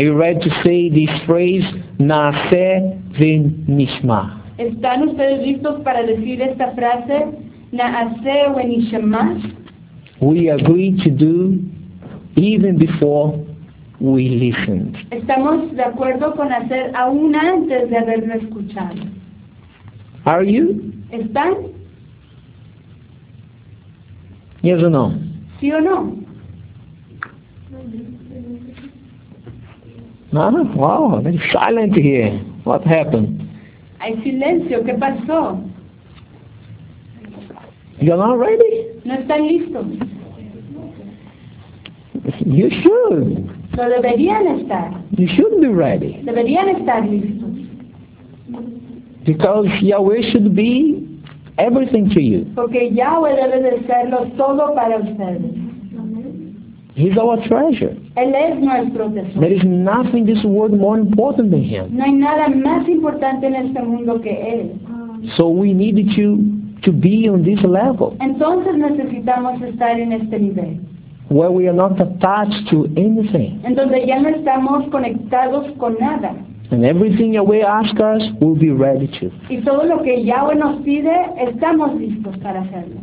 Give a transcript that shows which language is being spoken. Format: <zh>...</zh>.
<en>you ready to say this phrase,</en> <he>Naaseh v'nishma?</he> <es>¿Están ustedes listos para decir esta frase,</es> <he>Naaseh v'nishma?</he> <en>We agreed to do even before we listened.</en> <es>Estamos de acuerdo con hacer aún antes de haberlo escuchado.</es> <en>Are you?</en> <es>¿Están?</es> <en>Yes or no?</en> <es>Sí o no?</es> <en>No? Wow, very silent here. What happened?</en> <es>Hay silencio. ¿Qué pasó?</es> <en>You're not ready?</en> <es>No están listos.</es> <en>You should.</en> <es>No deberían estar.</es> <en>You shouldn't be ready.</en> <es>Deberían estar listos.</es> <en>Because Yahweh should be everything to you.</en> <es>Porque Yahweh debe de serlo todo para ustedes.</es> <en>He's our treasure.</en> <es>Él es nuestro tesoro.</es> <en>There is nothing in this world more important than Him.</en> <es>No hay nada más importante en este mundo que Él.</es> <en>So we need you to be on this level.</en> <es>Entonces necesitamos estar en este nivel.</es> <en>Where we are not attached to anything.</en> <es>En donde ya no estamos conectados con nada.</es> <en>And everything Yahweh asks us, we'll be ready to.</en> <es>Y todo lo que Yahweh nos pide, estamos listos para hacerlo.</es>